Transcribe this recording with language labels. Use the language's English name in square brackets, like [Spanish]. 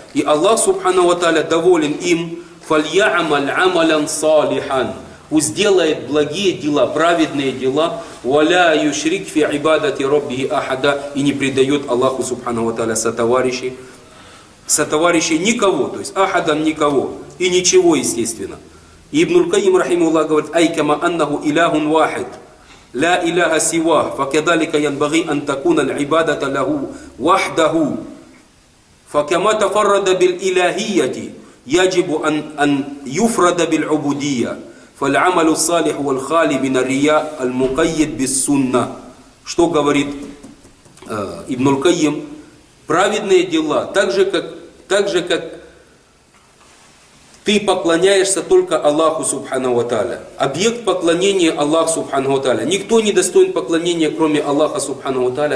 [Russian] И Аллах Субхану ва Тааля доволен им, [Arabic] фальямаль амалян салихан, [Russian] пусть делает благие дела, праведные дела, [Arabic] валя юшрик фи ибадати роббихи ахада, [Russian] и не предает Аллаху Субхану ва Тааля сотоварищей никого, то есть ахадам никого, и ничего, естественно. И Ибн Аль-Кайим рахимуллах говорит, [Arabic] айкама аннаху иляхун вахид. لا إله سواه فكذلك ينبغي أن تكون العبادة له وحده فكما تفرد بالإلهية يجب أن يفرد بالعبودية فالعمل الصالح والخالي من الرياء المقيد بالسنة. [Russian] Что говорит Ибн Аль-Кайим? Праведные дела, так же как ты поклоняешься только Аллаху Субхану ва Тааля. Объект поклонения Аллах Субхану ва Тааля. Никто не достоин поклонения, кроме Аллаха Субхану ва Тааля.